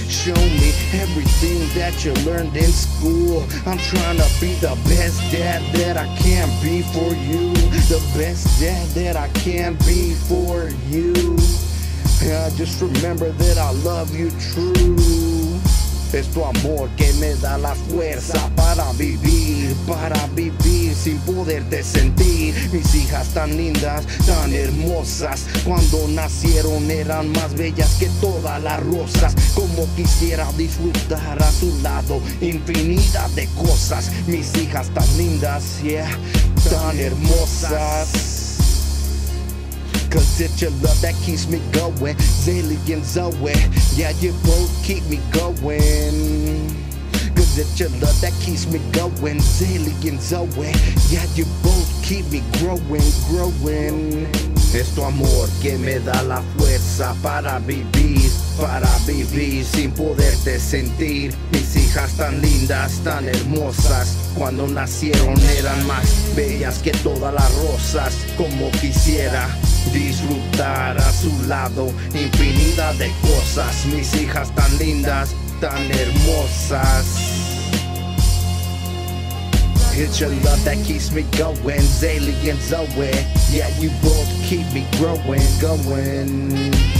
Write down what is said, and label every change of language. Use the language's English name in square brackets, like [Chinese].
[English] Show me everything that you learned in school. I'm trying to be the best dad that I can be for you. The best dad that I can be for you. Yeah, just remember that I love you true. [Spanish] Es tu amor que me da la fuerza para vivir sin poderte sentir. Mis hijas tan lindas, tan hermosas, cuando nacieron eran más bellas que todas las rosas. Como quisiera disfrutar a tu lado infinidad de cosas. Mis hijas tan lindas, yeah, tan hermosas. [English] Cause it's your love that keeps me going, Zaylee and Zoe. Yeah, you both keep me going. Cause it's your love that keeps me going, Zaylee and Zoe. Yeah, you both keep me growing, growing. [Spanish] Es tu amor que me da la fuerza para vivir sin poderte sentir. Mis hijas tan lindas, tan hermosas, cuando nacieron eran más bellas que todas las rosas. Como quisiera disfrutar a su lado infinidad de cosas. Mis hijas tan lindas, tan hermosas. [English] It's your love that keeps me going, Zaylee and Zoe. Yeah, you both keep me growing, going.